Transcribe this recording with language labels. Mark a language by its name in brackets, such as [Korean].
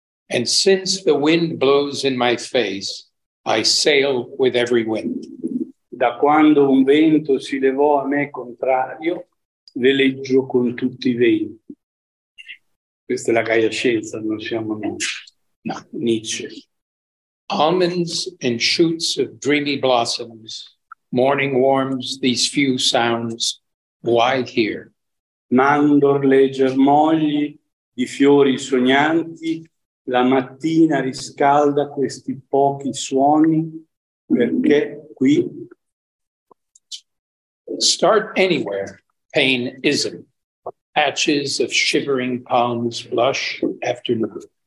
[English] And since the wind blows in my face, I sail with every wind. [Italian] Da quando un vento si levò a me contrario, veleggio con tutti i venti. Questa è la Gaia Scienza, non siamo noi. No, Nietzsche. [English] Almonds and shoots of dreamy blossoms, morning warms these few sounds, why here? [Italian] Mandorle germogli di fiori sognanti, la mattina riscalda questi pochi suoni, perché qui? [English] Start anywhere, pain isn't. Patches of shivering palms blush afternoon.